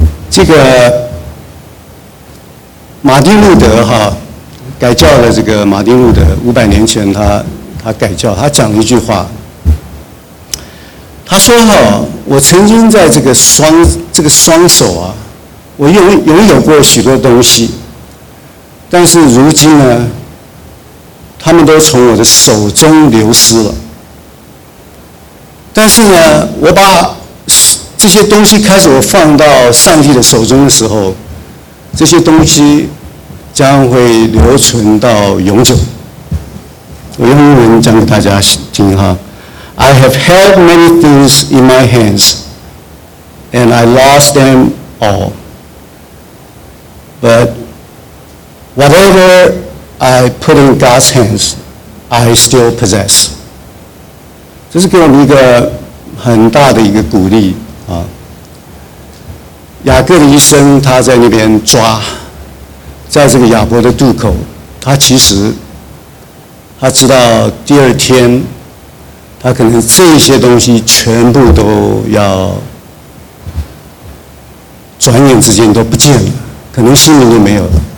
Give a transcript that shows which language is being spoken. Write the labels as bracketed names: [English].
[Chinese] 这个马丁路德哈，改教的这个马丁路德500年前他改教，他讲了一句话，他说哈，我曾经在这个双手啊，我拥有过许多东西，但是如今呢，他们都从我的手中流失了。但是呢，我把这些东西开始我放到上帝的手中的时候，这些东西将会留存到永久。我用英文讲给大家听哈。 [English] I have held many things in my hands, and I lost them all. But whatever I put in God's hands, I still possess. [Chinese] 这是给我们一个很大的一个鼓励啊。雅各的一生，他在那边抓，在这个亚伯的渡口，他知道第二天他可能这些东西全部都要转眼之间都不见了，可能性命都没有了。